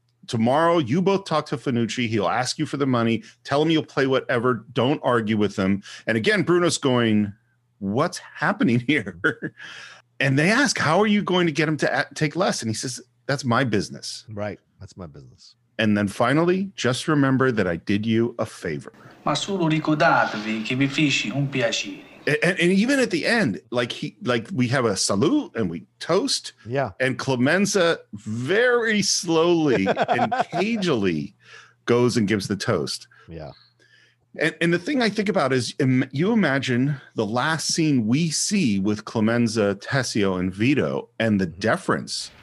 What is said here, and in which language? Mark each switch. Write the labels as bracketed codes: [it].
[en] Tomorrow, you both talk to Fanucci. He'll ask you for the money. Tell him you'll play whatever. Don't argue with him. And again, Bruno's going, what's happening here? And they ask, how are you going to get him to take less? And he says, that's my business. Right. That's my business. And then finally, just remember that I did you a favor. [it] Ma solo ricordatevi che mi feci un piacere. [en] And even at the end, like we have a salute and we toast. Yeah. And Clemenza very slowly and cagily goes and gives the toast. Yeah. And the thing I think about is you imagine the last scene we see with Clemenza, Tessio, and Vito, and the deference.